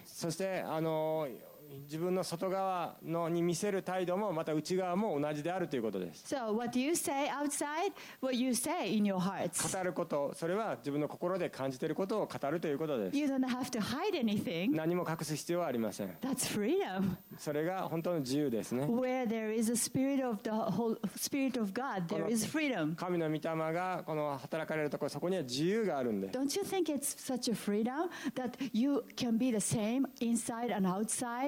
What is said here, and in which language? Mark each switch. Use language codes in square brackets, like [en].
[ja] そして自分の外側のに見せる態度もまた内側も同じであるということです。 [en] So what you say outside, what you say in your hearts. [ja] 語ること、それは自分の心で感じていることを語るということです。 [en] You don't have to hide anything. [ja] 何も隠す必要はありません。 [en] That's freedom. [ja] それが本当の自由ですね。 [en] Where there is a spirit of the whole spirit of God, there is freedom. [ja] 神の御霊がこの働かれるところ、そこには自由があるんです。 [en] Don't you think it's such a freedom that you can be the same inside and outside?